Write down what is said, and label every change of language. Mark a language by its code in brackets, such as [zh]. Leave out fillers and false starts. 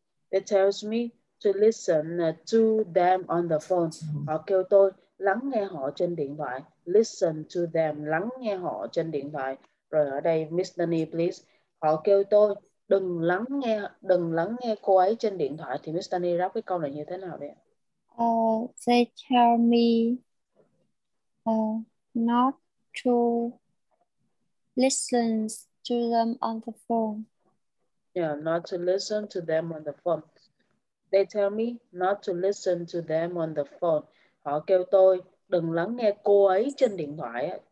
[en] They tell me to listen to the phone. It tells me to listen to them on the phone. [vi] Họ kêu tôi lắng nghe họ trên điện thoại. [en] Listen to them, [vi] lắng nghe họ trên điện thoại. Rồi ở đây, [en] Miss Danny, please. [vi] Họ kêu tôi đừng lắng nghe cô ấy trên điện thoại. Thì Miss Danny rap cái câu này như thế nào đây? [en] They tell me not to listen to them on the phone. They tell me not to listen to them on the phone. [vi] Họ kêu tôi đừng lắng nghe cô ấy trên điện thoại.